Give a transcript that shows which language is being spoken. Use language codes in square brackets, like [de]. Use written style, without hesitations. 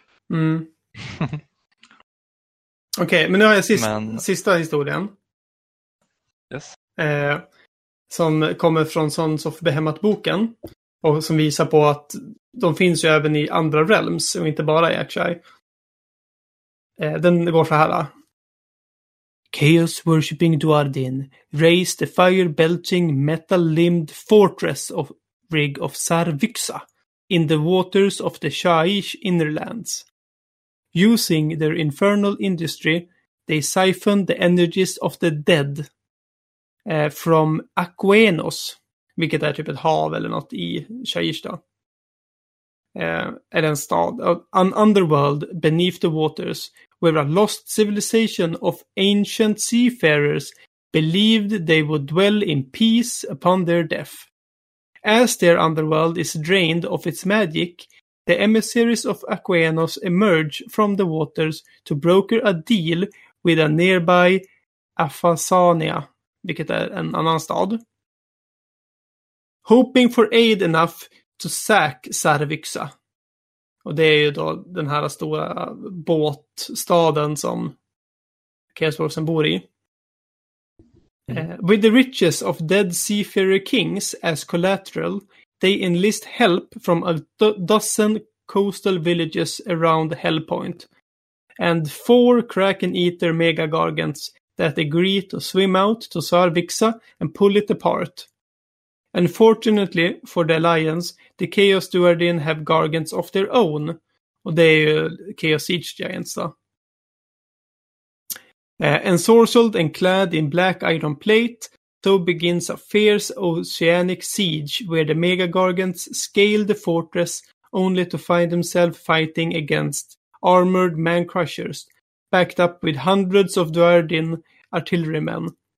[sv] Mm. Okej, okay, men nu har jag sista historien. [en] Yes. [sv] Som kommer från Sons of Behemoth-boken. Och som visar på att de finns ju även i andra realms och inte bara i Akshai. Den går så här. [en] Chaos worshipping Duardin raised the fire belching metal limbed fortress of rig of Sarvyxa in the waters of the Shaish innerlands. Using their infernal industry, they siphoned the energies of the dead from Aquenos, [sv] vilket är typ ett hav eller något i Shaish då. Är en stad, [en] an underworld beneath the waters. Where a lost civilization of ancient seafarers believed they would dwell in peace upon their death. As their underworld is drained of its magic, the emissaries of Aquenos emerge from the waters to broker a deal with a nearby Afasania, [sv] vilket är en annan stad. [en] Hoping for aid enough to sack Sarvyxa. [sv] Och det är ju då den här stora båtstaden som Chaos Dwarfsen bor i. [en] With the riches of dead seafarer kings as collateral, they enlist help from a dozen coastal villages around Hellpoint. And four Kraken Eater megagargants that agree to swim out to Sarvyxa and pull it apart. Unfortunately for the Alliance, the Chaos Duardin have gargants of their own. [sv] Och det är ju Chaos Siege Giants då. [en] Ensorcelled and clad in black iron plate, so begins a fierce oceanic siege where the Mega Gargants scale the fortress only to find themselves fighting against armored man crushers, backed up with hundreds of Duardin artillerymen.